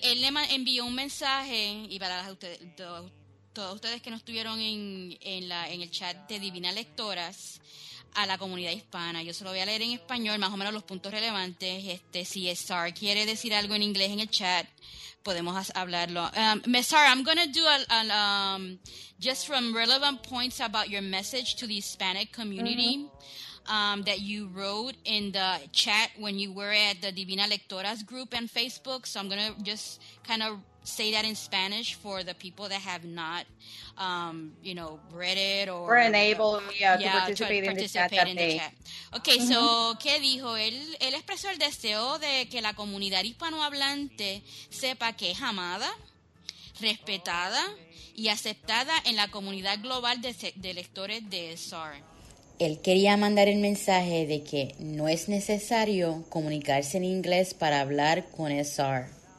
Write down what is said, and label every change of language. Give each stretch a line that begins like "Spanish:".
Spanish: él le envió un mensaje, y para todos ustedes que no estuvieron en el chat de Divina Lectoras, a la comunidad hispana. Yo se lo voy a leer en español, más o menos los puntos relevantes. Si Sar quiere decir algo en inglés en el chat, podemos hablarlo.
English: Sar, I'm going to do just from relevant points about your message to the Hispanic community. Mm-hmm. That you wrote in the chat when you were at the Divina Lectoras group on Facebook. So I'm going to just kind of say that in Spanish for the people that have not, read it or... We're to participate in the chat. Okay, mm-hmm. So,
Spanish: ¿qué dijo? Él expresó el deseo de que la comunidad hispanohablante sepa que es amada, respetada y aceptada en la comunidad global de lectores de SAR. Él quería mandar el mensaje de que no es necesario comunicarse en inglés para hablar con SR.